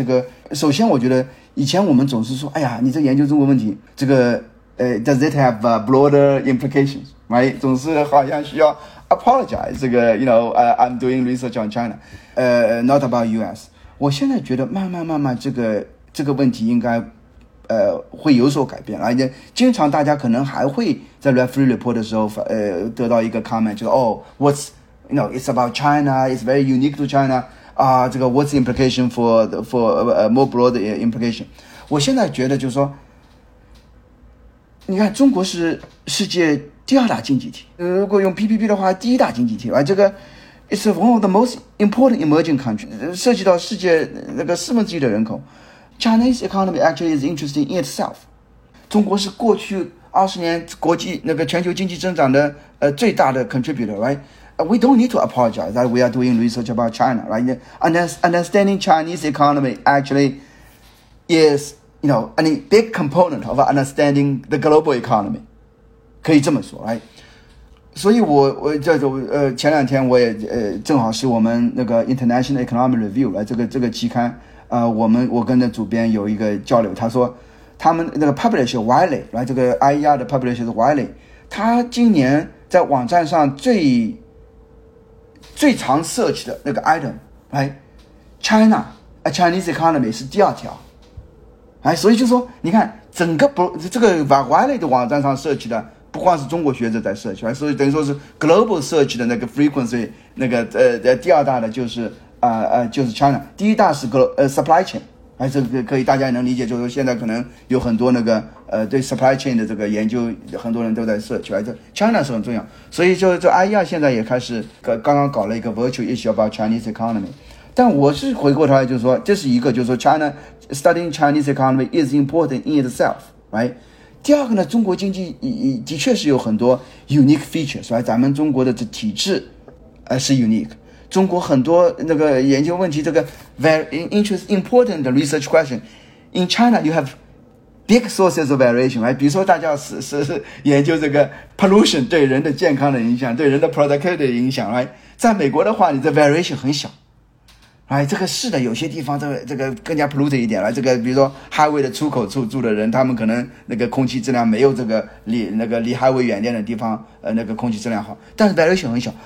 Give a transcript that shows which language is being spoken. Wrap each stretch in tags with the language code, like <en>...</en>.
<zh>这个首先我觉得以前我们总是说，哎呀，你在研究中国问题，这个</zh> <en>does it have broader implications？ Right？</en> <zh>总是好像需要 apologize。</zh> <en>这个 you know， I'm doing research on China， not about US。</en> <zh>我现在觉得慢慢这个问题应该会有所改变啊。你经常大家可能还会在 referee report 的时候得到一个 comment， 就是</zh> <en>what's you know it's about China， it's very unique to China。这个 what's implication for more broad implication？</en> <zh>我现在觉得就是说，你看中国是世界第二大经济体，如果用 PPP 的话，第一大经济体啊。</zh> <en>这个 it's one of the most important emerging countries，</en> <zh>涉及到世界那个四分之一的人口。</zh> <en>China's economy actually is interesting in itself。</en> <zh>中国是过去二十年国际那个全球经济增长的最大的 contributor， right？</zh> <en>We don't need to apologize that we are doing research about China, right? Understanding Chinese economy actually is, you know, a big component of understanding the global economy.</en> <zh>可以这么说 ，</zh> <en>right?</en> <zh>所以我前两天我也正好是我们那个 International Economic Review 来这个期刊，我跟那主编有一个交流，他说他们那个 publisher Wiley， 来这个 IER 的 publisher 是 Wiley， 他今年在网站上最常 search 的那个 item， right？ China， a Chinese economy 是第二条，所以就说你看整个这个 Wiley 的网站上 search 的不光是中国学者在 search， 所以等于说是 global search 的那个 frequency， 那个第二大的就是 China， 第一大是 supply chain， 这个可以大家能理解，就是说现在可能有很多那个对 supply chain 的这个研究很多人都在 search，</zh> <en>right？</en> <zh>China 是很重要，所以就 IER 现在也开始刚刚搞了一个 virtual issue about Chinese economy。但我是回过头来就是说，这是一个就是说</zh> <en>China studying Chinese economy is important in itself，</en> <zh>right？第二个呢，中国经济的确是有很多 unique features，</zh> <en>right？</en> <zh>咱们中国的这体制是 unique，中国很多那个研究问题，这个</zh> <en>very interesting important research question in China you have big sources of variation，</en> <zh>比如说大家 是研究这个 pollution 对人的健康的影响，对人的 productivity 的影响，在美国的话你的 variation 很小，这个是的，有些地方这个更加 polluted 一点，这个比如说 highway 的出口处住的人，他们可能那个空气质量没有这个离 highway 远点的地方那个空气质量好，但是 variation 很小。</zh>